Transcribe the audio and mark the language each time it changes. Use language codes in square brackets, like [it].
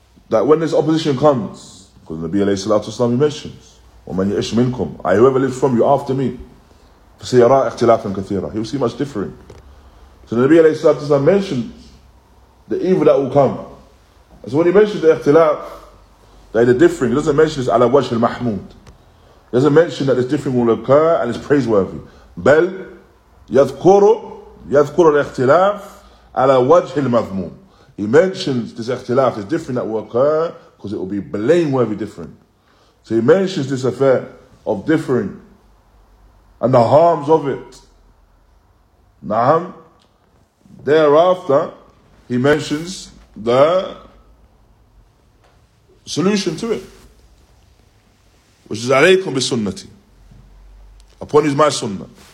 [en] That when this opposition comes, because Nabi alayhi salatu wasallam mentions, [ar] وَمَن يَعِشْ مِنْكُمْ [en] I whoever lives from you after me, [ar] فَسَيَرَىٰ اِخْتِلَافًا كَثِيرًا [en] He will see much differing. So Nabi alayhi salatu wasallam mentions the evil that will come. So when he mentions the ikhtilaf, that the differing, he doesn't mention this [ar] ala wajh al-mahmud. [en] He doesn't mention that this differing will occur and it's praiseworthy. [ar] بل يذكر الاختلاف على وجه المذموم. [en] He mentions this اختلاف is different that will occur because it will be blameworthy different. So he mentions this affair of differing and the harms of it. Naam. Thereafter, he mentions the solution to it, which is [ar] عليكم بسنتي. [en] Upon is my sunnah.